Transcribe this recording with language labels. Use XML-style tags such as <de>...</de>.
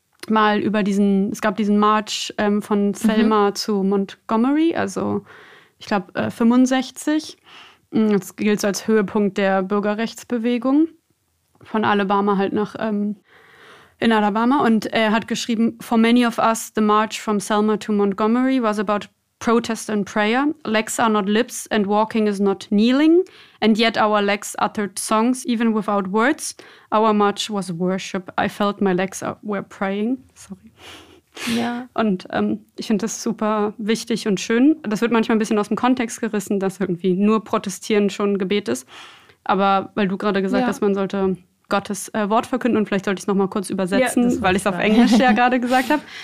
<de>mal über diesen, es gab diesen March von Selma zu Montgomery, also ich glaube 65. Das gilt so als Höhepunkt der Bürgerrechtsbewegung von Alabama halt nach in Alabama. Und er hat geschrieben,</de> <en>for many of us, the march from Selma to Montgomery was about protest and prayer. Legs are not lips and walking is not kneeling. And yet our legs uttered songs, even without words. Our march was worship. I felt my legs were praying. Sorry.</en> <de>Ja. Und ich finde das super wichtig und schön. Das wird manchmal ein bisschen aus dem Kontext gerissen, dass irgendwie nur protestieren schon Gebet ist. Aber weil du gerade gesagt hast, man sollte Gottes Wort verkünden und vielleicht sollte ich es nochmal kurz übersetzen, weil ich es auf Englisch ja gerade gesagt habe.</de>